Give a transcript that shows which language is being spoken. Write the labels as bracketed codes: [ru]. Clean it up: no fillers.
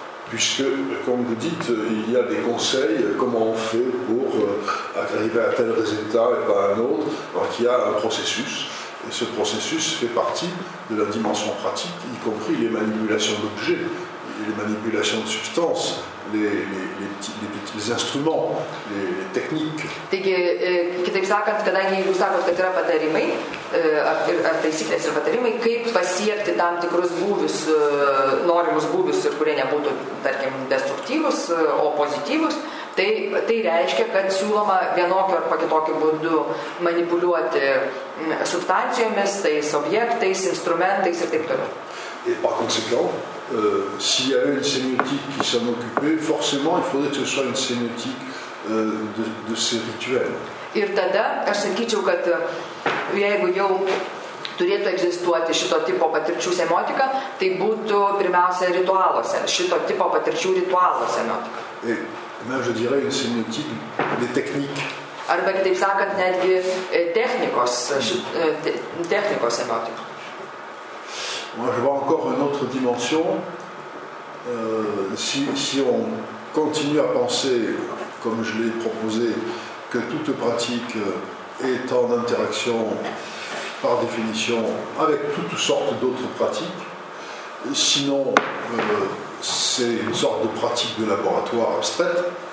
[fr] Puisque, comme vous dites, il y a des conseils, comment on fait pour arriver à tel résultat et pas à un autre, alors qu'il y a un processus. Et ce processus fait partie de la dimension pratique, y compris les manipulations d'objets, les manipulations de substances, les instruments, les techniques. [lt] Taigi, kitaip sakant, kadangi jūs sakot, kad yra patarimai, ar taisyklės ir patarimai, kaip pasiekti tam tikrus būvius, norimus būvius, ir kurie nebūtų, tarkim, destruktyvus, o pozityvus, tai reiškia, kad siūloma vienokio ar pakitokio būdu manipuliuoti substancijomis, tais objektais, instrumentais ir taip toliau. [fr] Et par conséquent, s'il y avait une sémiotique qui s'en occupait, forcément, il faudrait que ce soit une sémiotique de ces rituels. [lt] Ir tada, aš sakyčiau, kad jeigu jau turėtų egzistuoti šito tipo patirčių semiotika, tai būtų pirmiausia ritualuose, šito tipo patirčių ritualuose semiotika. [fr] Et même, je dirais, une sémiotique des techniques. [lt] arba kitaip sakant, netgi technikos, technikos semiotikos. [fr] Moi, je vois encore une autre dimension. Si on continue à penser, comme je l'ai proposé, que toute pratique est en interaction, par définition, avec toutes sortes d'autres pratiques, sinon c'est une sorte de pratique de laboratoire abstraite,